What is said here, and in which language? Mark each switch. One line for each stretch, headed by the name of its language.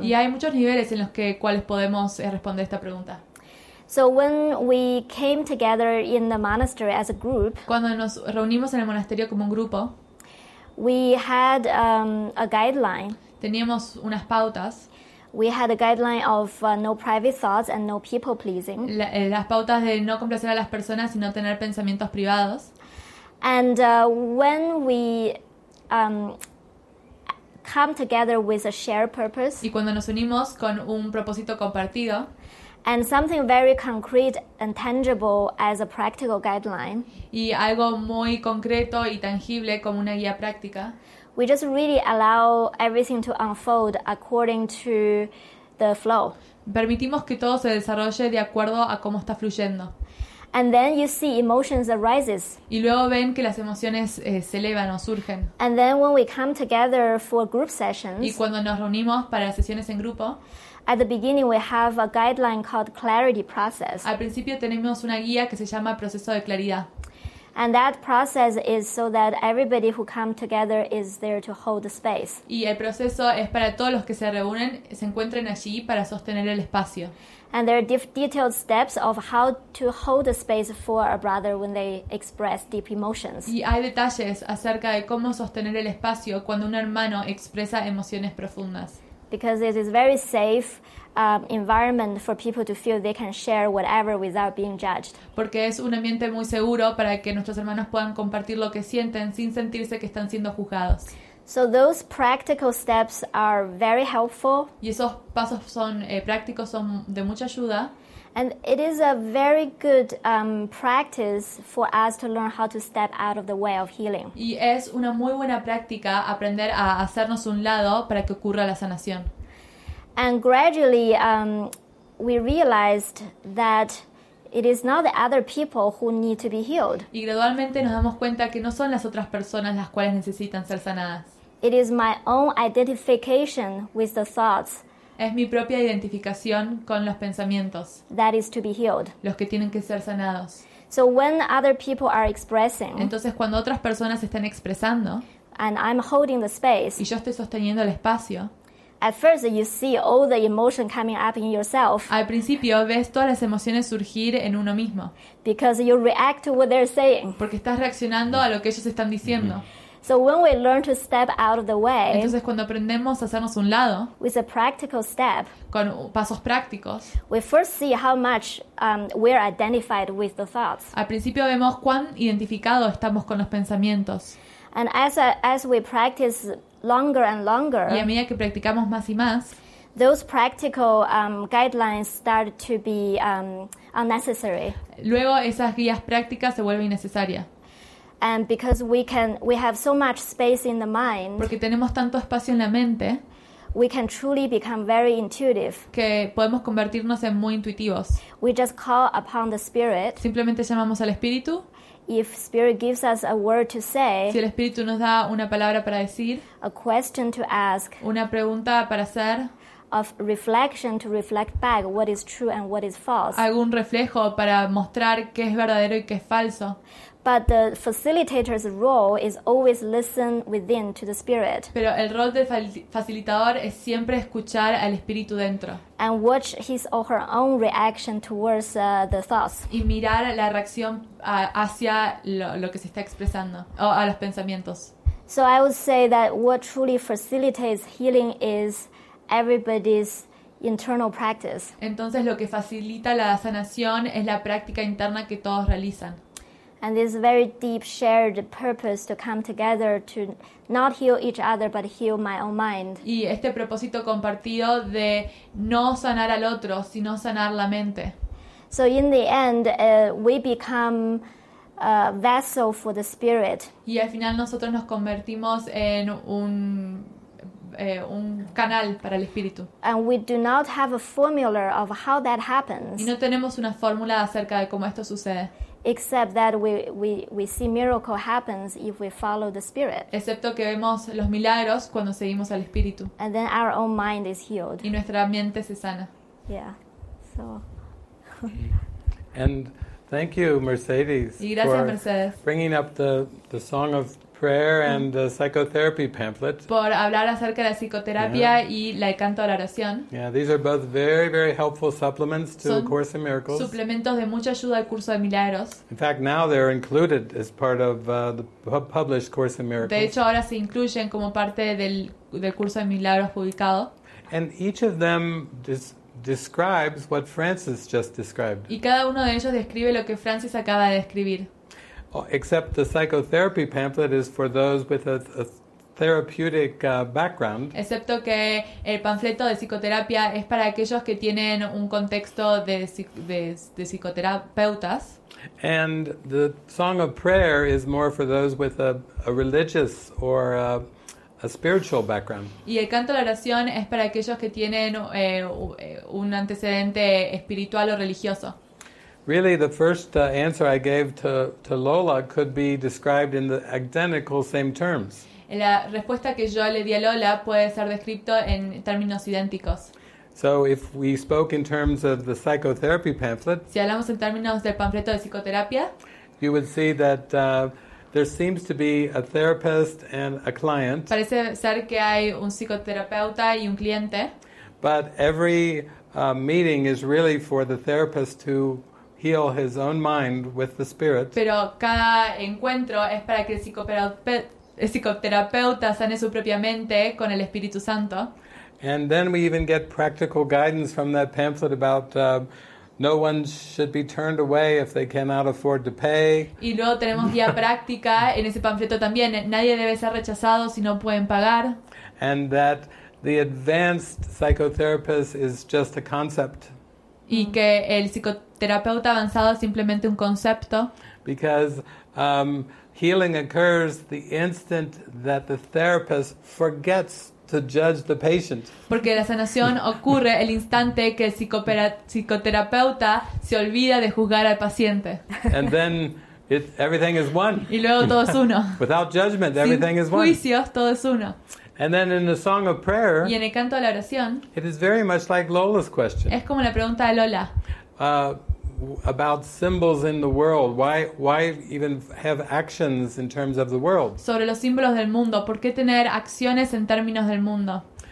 Spanish: Y hay muchos niveles en los que cuales podemos responder esta pregunta.
English: So when we came together in the monastery as a group.
Spanish: Cuando nos reunimos en el monasterio como un grupo.
English: We had a guideline.
Spanish: Teníamos unas pautas.
English: We had a guideline of no private thoughts and no people pleasing.
Spanish: Las pautas de no complacer a las personas y no tener pensamientos privados.
English: And when we come together with a shared purpose.
Spanish: Y cuando nos unimos con un propósito compartido.
English: And something very concrete and tangible as a practical guideline.
Spanish: Y algo muy concreto y tangible como una guía práctica.
English: We just really allow everything to unfold according to the flow.
Spanish: Permitimos que todo se desarrolle de acuerdo a cómo está fluyendo.
English: And then you see emotions arises.
Spanish: Y luego ven que las emociones se elevan o surgen.
English: And then when we come together for group sessions.
Spanish: Y cuando nos reunimos para sesiones en grupo.
English: At the beginning, we have a guideline called clarity process.
Spanish: Al principio tenemos una guía que se llama proceso de claridad.
English: And that process is so that everybody who come together is there to hold the space.
Spanish: Y el proceso es para todos los que se reúnen se encuentren allí para sostener el espacio.
English: And there are detailed steps of how to hold the space for a brother when they express deep emotions.
Spanish: Y hay detalles acerca de cómo sostener el espacio cuando un hermano expresa emociones profundas.
English: Because it is very safe environment for people to feel they can share whatever without being judged.
Spanish: Porque es un ambiente muy seguro para que nuestros hermanos puedan compartir lo que sienten sin sentirse que están siendo juzgados.
English: So those practical steps are very helpful.
Spanish: Y esos pasos son prácticos, son de mucha ayuda.
English: And it is a very good practice for us to learn how to step out of the way of healing.
Spanish: Y es una muy buena práctica aprender a hacernos un lado para que ocurra la sanación.
English: And gradually we realized that it is not the other people who need to be healed.
Spanish: Y gradualmente nos damos cuenta que no son las otras personas las cuales necesitan ser sanadas.
English: It is my own identification with the thoughts.
Spanish: Es mi propia identificación con los pensamientos.
English: That is to be healed.
Spanish: Los que tienen que ser sanados.
English: So when other people are expressing.
Spanish: Entonces cuando otras personas están expresando.
English: And I'm holding the space.
Spanish: Y yo estoy sosteniendo el espacio.
English: At first, you see all the emotion coming up in yourself.
Spanish: Al principio ves todas las emociones surgir en uno mismo.
English: Because you react to what they're saying.
Spanish: Porque estás reaccionando a lo que ellos están diciendo.
English: So when we learn to step out of the way,
Spanish: entonces cuando aprendemos a hacernos un lado,
English: with a practical step,
Spanish: con pasos prácticos,
English: we first see how much we're identified with the thoughts.
Spanish: Al principio vemos cuán identificados estamos con los pensamientos.
English: And as we practice longer and longer,
Spanish: y a medida que practicamos más y más,
English: those practical guidelines start to be unnecessary.
Spanish: Luego esas guías prácticas se vuelven innecesarias.
English: And because we have so much space in the mind.
Spanish: Porque tenemos tanto espacio en la mente.
English: We can truly become very intuitive.
Spanish: Que podemos convertirnos en muy intuitivos.
English: We just call upon the spirit.
Spanish: Simplemente llamamos al espíritu.
English: If spirit gives us a word to say.
Spanish: Si el espíritu nos da una palabra para decir.
English: A question to ask.
Spanish: Una pregunta para hacer.
English: Of reflection to reflect back what is true and what is false.
Spanish: Algún reflejo para mostrar qué es verdadero y qué es falso.
English: But the facilitator's role is always listen within to the spirit.
Spanish: Pero el rol del facilitador es siempre escuchar al espíritu dentro.
English: And watch his or her own reaction towards the thoughts.
Spanish: Y mirar la reacción hacia lo que se está expresando o a los pensamientos.
English: So I would say that what truly facilitates healing is everybody's internal practice.
Spanish: Entonces lo que facilita la sanación es la práctica interna que todos realizan.
English: And this very deep shared purpose to come together to not heal each other but heal my own mind.
Spanish: Y este propósito compartido de no sanar al otro, sino sanar la mente.
English: So in the end, we become a vessel for the spirit.
Spanish: Y al final nosotros nos convertimos en un canal para el espíritu.
English: And we do not have a formula of how that happens.
Spanish: Y no tenemos una fórmula acerca de cómo esto sucede.
English: Except that we see miracle happens if we follow the spirit.
Spanish: Excepto que vemos los milagros cuando seguimos al espíritu.
English: And then our own mind is healed.
Spanish: Y nuestra mente se sana.
English: Yeah. So. And thank you, Mercedes.
Spanish: Y gracias, Mercedes.
English: For bringing up the song of prayer and the psychotherapy pamphlet.
Spanish: Por hablar acerca de la psicoterapia y la de canto a la oración.
English: Yeah, these are both very, very helpful supplements to
Spanish: Son
English: A Course in Miracles.
Spanish: Suplementos de mucha ayuda al curso de milagros.
English: In fact, now they're included as part of the published Course in Miracles.
Spanish: De hecho, ahora se incluyen como parte del curso de milagros publicado.
English: And each of them describes what Francis just described.
Spanish: Y cada uno de ellos describe lo que Francis acaba de describir.
English: Except the psychotherapy pamphlet is for those with a therapeutic background.
Spanish: Excepto que el panfleto de psicoterapia es para aquellos que tienen un contexto de psicoterapeutas.
English: And the song of prayer is more for those with a religious or a spiritual background.
Spanish: Y el canto a la oración es para aquellos que tienen un antecedente espiritual o religioso.
English: Really, the first answer I gave to Lola could be described in the identical same terms.
Spanish: La respuesta que yo le di a Lola puede ser descrito en términos idénticos.
English: So if we spoke in terms of the psychotherapy pamphlet,
Spanish: si hablamos en términos del panfleto de psicoterapia,
English: you would see that there seems to be a therapist and a client.
Spanish: Parece ser que hay un psicoterapeuta y un cliente.
English: But every meeting is really for the therapist to heal his own mind with the spirit.
Spanish: Pero cada encuentro es para que el psicoterapeuta sane su propia mente con el Espíritu Santo.
English: And then we even get practical guidance from that pamphlet about no one should be turned away if they cannot afford to pay.
Spanish: Y luego tenemos guía práctica en ese panfleto también. Nadie debe ser rechazado si no pueden pagar.
English: And that the advanced psychotherapist is just a concept.
Spanish: Y que el psicoterapeuta avanzado es simplemente un concepto.
English: Because healing occurs the instant that the therapist forgets to judge the patient.
Spanish: Porque la sanación ocurre el instante que el psicoterapeuta se olvida de juzgar al paciente.
English: And then everything is one.
Spanish: Y luego todo es uno.
English: Without judgment,
Spanish: sin
English: everything is
Spanish: juicios,
English: one.
Spanish: Sin juicios, todo es uno.
English: And then in the song of prayer,
Spanish: y en el canto a la oración,
English: it is very much like Lola's question.
Spanish: Es como la pregunta de Lola.
English: About symbols in the world. Why even have actions in terms of the world?
Spanish: Sobre los símbolos del mundo. ¿Por qué tener acciones en términos del mundo?